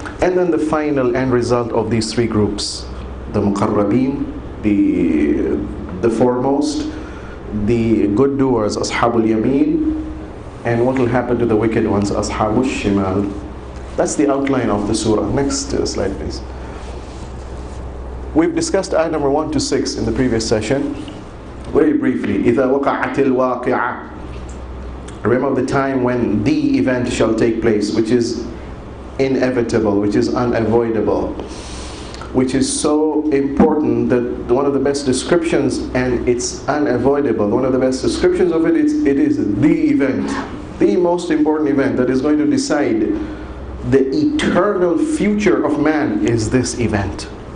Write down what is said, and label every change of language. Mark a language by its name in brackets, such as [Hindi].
[English] And then the final end result of these three groups, the muqarrabin, the foremost, the good doers, ashabul yameen, and what will happen to the wicked ones, ashabul shimal. That's the outline of the surah. Next slide, please. We've discussed ayah number 1 to 6 in the previous session. Very briefly, [Arabic] إِذَا وَقَعَتِ الْوَاقِعَةِ. [English] Remember the time when the event shall take place, which is inevitable, which is unavoidable, which is so important that one of the best descriptions, and it's unavoidable, one of the best descriptions of it is, it is the event, the most important event that is going to decide the eternal future of man is this event.